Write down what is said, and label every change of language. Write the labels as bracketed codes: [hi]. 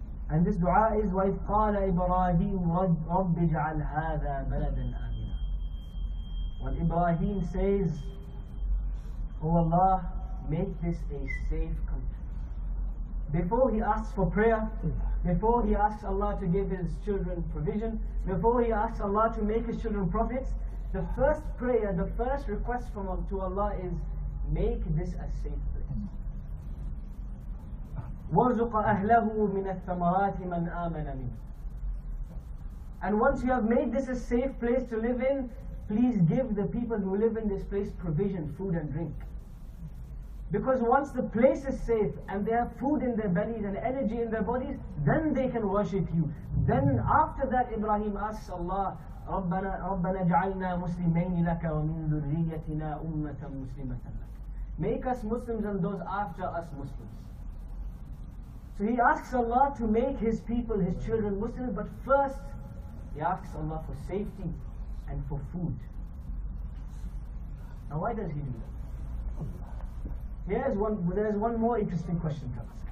[en] And this dua is, [ar] وَإِذْ قَالَ إِبْرَاهِيمُ رَبِّ اجْعَلْ هَذَا بَلَدًا آمِنًا. [en] When Ibrahim says, Oh Allah, make this a safe country. Before he asks for prayer, before he asks Allah to give his children provision, before he asks Allah to make his children prophets, the first prayer, the first request from to Allah is, make this a safe place. [ar] وَرْزُقَ أَهْلَهُ مِنَ الثَّمَرَاتِ مَنْ آمَنَ مِنْ. [en] And once you have made this a safe place to live in, please give the people who live in this place provision, food and drink. Because once the place is safe and they have food in their bellies and energy in their bodies, then they can worship you. Then after that, Ibrahim asks Allah, [ar] رَبَّنَا جَعَلْنَا مُسْلِمَيْنِ لَكَ وَمِنْ ذُرِّيَّتِنَا أُمَّةً مُسْلِمَةً لَكَ. [en] Make us Muslims and those after us Muslims. So he asks Allah to make his people, his children, Muslims, but first he asks Allah for safety and for food. Now why does he do that? There is one more interesting question to ask.